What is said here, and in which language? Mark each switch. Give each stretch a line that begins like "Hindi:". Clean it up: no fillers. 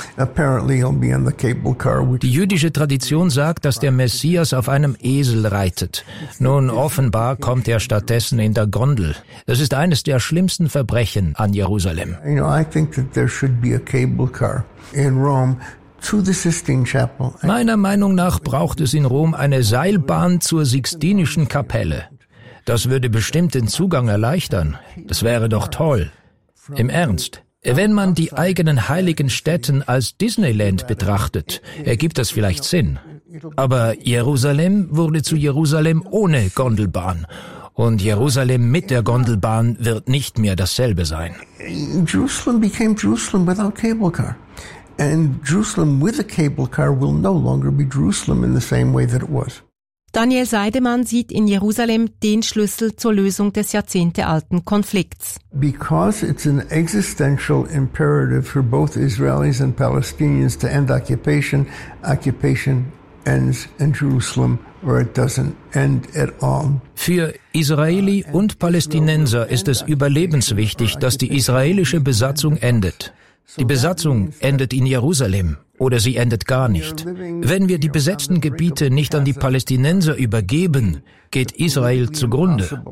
English: Apparently he'll be in the cable car.
German: Die jüdische Tradition sagt, dass der Messias auf einem Esel reitet. Nun, offenbar kommt er stattdessen in der Gondel. Das ist eines der schlimmsten Verbrechen an Jerusalem.
English: You know, I think that there should be a cable car in Rome.
German: Meiner Meinung nach braucht es in Rom eine Seilbahn zur Sixtinischen Kapelle. Das würde bestimmt den Zugang erleichtern. Das wäre doch toll. Im Ernst. Wenn man die eigenen heiligen Stätten als Disneyland betrachtet, ergibt das vielleicht Sinn. Aber Jerusalem wurde zu Jerusalem ohne Gondelbahn. Und Jerusalem mit der Gondelbahn wird nicht mehr dasselbe sein.
English: Jerusalem became Jerusalem without cable car. And Jerusalem with a cable car will no longer be Jerusalem in the same way that it was.
German: Daniel Seidemann sieht in Jerusalem den Schlüssel zur Lösung des jahrzehntealten Konflikts.
English: Because it's an existential imperative for both Israelis and Palestinians to end occupation, occupation ends in Jerusalem or it doesn't end at all.
German: Für Israeli und Palästinenser ist es überlebenswichtig, dass die israelische Besatzung endet. Die Besatzung endet in Jerusalem. Oder sie endet gar nicht. Wenn wir die besetzten Gebiete nicht an die Palästinenser übergeben, geht Israel zugrunde.